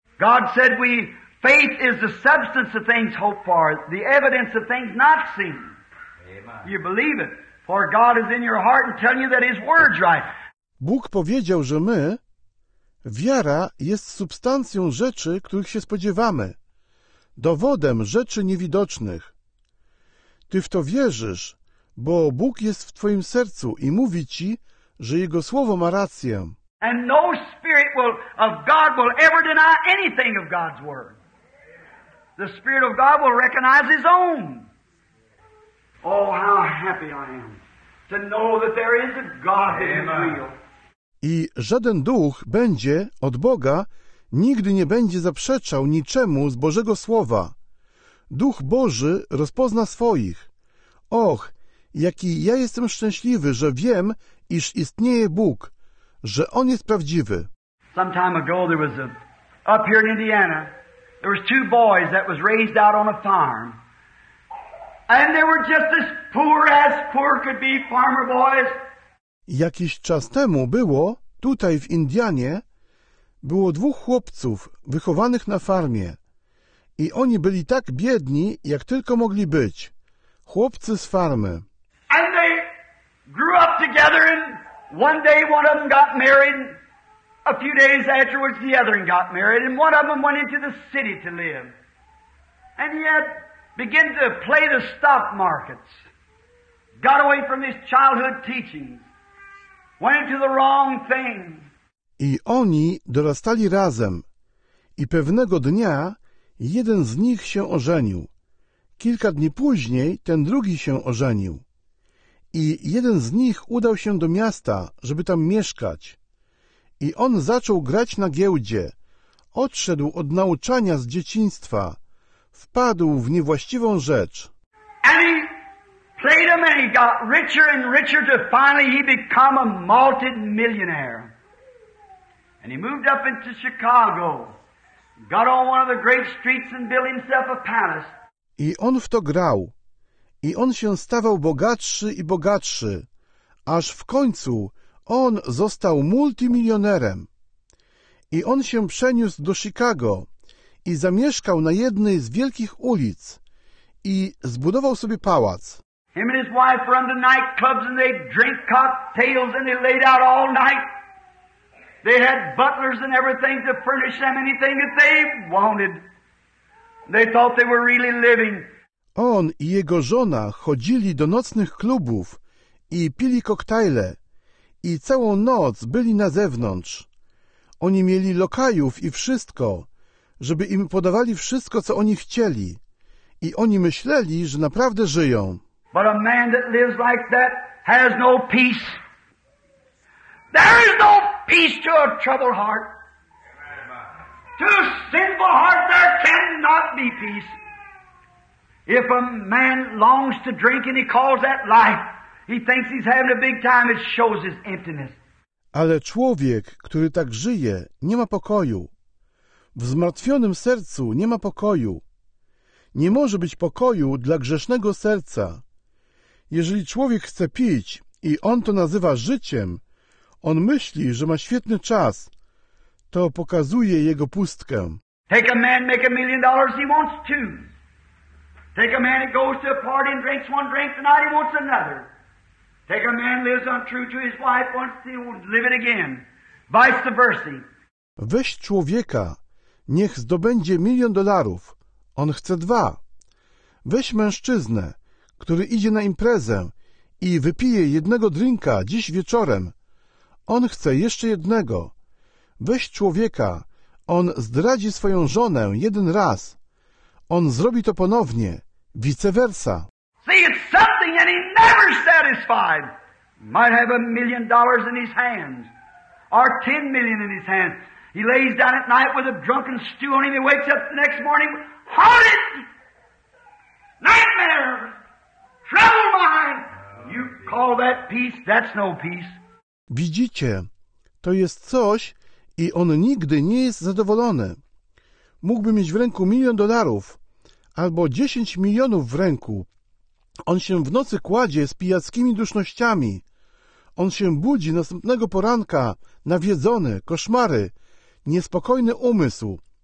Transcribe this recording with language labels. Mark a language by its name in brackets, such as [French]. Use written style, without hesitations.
[English] God said we, faith is the substance of things hoped for, the evidence of things not seen. Amen. You believe it, for God is in your heart and telling you that His word's right. [Polish] Bóg powiedział, że my, wiara jest substancją rzeczy, których się spodziewamy, dowodem rzeczy niewidocznych. Ty w to wierzysz, bo Bóg jest w twoim sercu i mówi ci, że Jego Słowo ma rację. [English] And no spirit will, of God will ever deny anything of God's word. The Spirit of God will recognize His own. Oh, how happy I am to know that there is a God who is real. [Polish] I żaden duch będzie od Boga nigdy nie będzie zaprzeczał niczemu z Bożego Słowa. Duch Boży rozpozna swoich. Och, jaki ja jestem szczęśliwy, że wiem, iż istnieje Bóg, że On jest prawdziwy. [English] Some time ago there was a, up here in Indiana, there was two boys that was raised out on a farm. And they were just as poor could be farmer boys. [Polish] Jakiś czas temu było, tutaj w Indianie, było dwóch chłopców wychowanych na farmie i oni byli tak biedni, jak tylko mogli być. Chłopcy z farmy. [English] And they grew up together and one day one of them got married. A few days afterwards the other one got married and one of them went into the city to live. And he had begun to play the stock markets. Got away from his childhood teachings. Went into the wrong thing. [Polish] I oni dorastali razem. I pewnego dnia jeden z nich się ożenił. Kilka dni później ten drugi się ożenił. I jeden z nich udał się do miasta, żeby tam mieszkać. I on zaczął grać na giełdzie. Odszedł od nauczania z dzieciństwa. Wpadł w niewłaściwą rzecz. [English] Any? Played him and he got richer and richer to finally he become a multi-millionaire. And he moved up into Chicago, got on one of the great streets and built himself a palace. [Polish] I on w to grał. I on się stawał bogatszy i bogatszy, aż w końcu on został multimilionerem. I on się przeniósł do Chicago i zamieszkał na jednej z wielkich ulic i zbudował sobie pałac. [English] Him and his wife run to nightclubs and they drink cocktails and they laid out all night. They had butlers and everything to furnish them anything that they wanted. They thought they were really living. [Polish] On i jego żona chodzili do nocnych klubów i pili koktajle i całą noc byli na zewnątrz. Oni mieli lokajów i wszystko, żeby im podawali wszystko, co oni chcieli. I oni myśleli, że naprawdę żyją. [English] But a man that lives like that has no peace. There is no peace to a troubled heart. To a sinful heart there cannot be peace. If a man longs to drink and he calls that life, he thinks he's having a big time, it shows his emptiness. [Polish] Ale człowiek, który tak żyje, nie ma pokoju. W zmartwionym sercu nie ma pokoju. Nie może być pokoju dla grzesznego serca. Jeżeli człowiek chce pić i on to nazywa życiem, on myśli, że ma świetny czas. To pokazuje jego pustkę. [English] Take a man, make $1 million, he wants two. Take a man that goes to a party and drinks one drink tonight, he wants another. Take a man lives untrue to his wife, wants to live it again. Vice versa. [Polish] Weź człowieka, niech zdobędzie $1 million, on chce dwa. Weź mężczyznę, który idzie na imprezę i wypije jednego drinka dziś wieczorem. On chce jeszcze jednego. Weź człowieka, on zdradzi swoją żonę jeden raz. On zrobi to ponownie, vice versa. [English] See, it's something and he's never satisfied. Might have $1 million in his hands, or $10 million in his hands. He lays down at night with a drunken stew on him. He wakes up the next morning, haunted, nightmare, troubled mind. You call that peace? That's no peace. [Polish] Widzicie, to jest coś i on nigdy nie jest zadowolony. Mógłby mieć w ręku $1 million albo 10 milionów w ręku. On się w nocy kładzie z pijackimi dusznościami. On się budzi następnego poranka, nawiedzony, koszmary, niespokojny umysł.